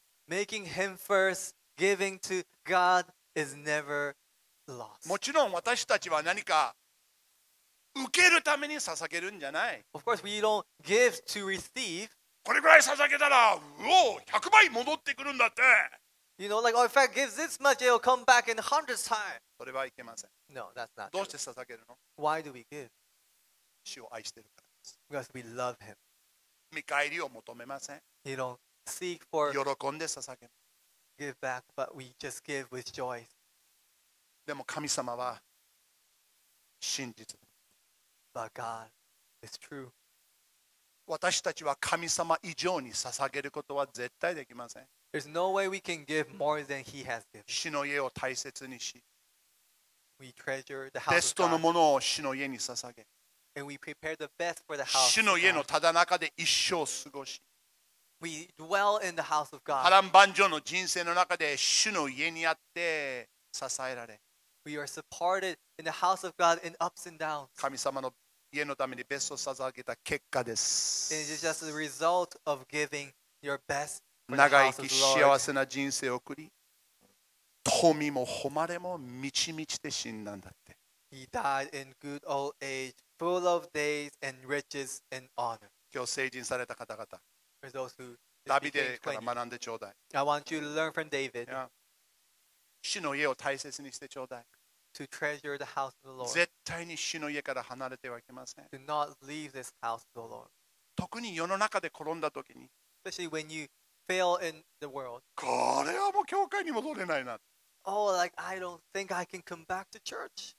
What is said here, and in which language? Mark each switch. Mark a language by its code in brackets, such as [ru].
[en] Making him first, giving to God is never lost. [ja] もちろん私たちは何か受けるために捧げるんじゃない。 [en] Of course, we don't give to receive. [ja] これぐらい捧げたら、100倍戻ってくるんだって。 [en] You know, like, oh, if I give this much, it'll come back in hundreds times. [ja] それはいけません。 [en] No, that's not. [ja] どうして捧げるの? [en] Why do we give? [ja] 主を愛してるからです。 [en] Because we love him. [ja] 見返りを求めません。 [en] You don't seek for. [ja] 喜んで捧げる。 [en] Give back, but we just give with joy. [ja] でも神様は真実。 [en] But God is true. [ja] 私たちは神様以上に捧げることは絶対できません。 [en] There's no way we can give more than He has given. [ja] 主の家を大切にし、 [en] we treasure the house. [ja] ベストのものを主の家に捧げ、 [en] and we prepare the best for the house. [ja] 主の家のただ中で一生過ごし、 [en] we dwell in the house of God. [ja] 波乱万丈の人生の中で主の家にあって支えられ。 [en] We are supported in the house of God in ups and downs. [ja] 神様の家のためにベストを捧げた結果です。 [en] It is just a result of giving your best for the house of the Lord. [ja] 長生き幸せな人生を送り、富も誉れも満ち満ちて死んだんだって。 [en] He died in good old age, full of days and riches and honor. [ja] 今日成人された方々、ダビデから学んでちょうだい。 [en] I want you to learn from David. Yeah. [ja] 主の家を大切にしてちょうだい。 [en] To treasure the house of the Lord. [ja] 絶対に主の家から離れてはいけません。 [en] Do not leave this house of the Lord. [ja] 特に世の中で転んだ時に。 [en] Especially when you fail in the world. [ja] これはもう教会に戻れないな。 [en] Oh, like I don't think I can come back to church.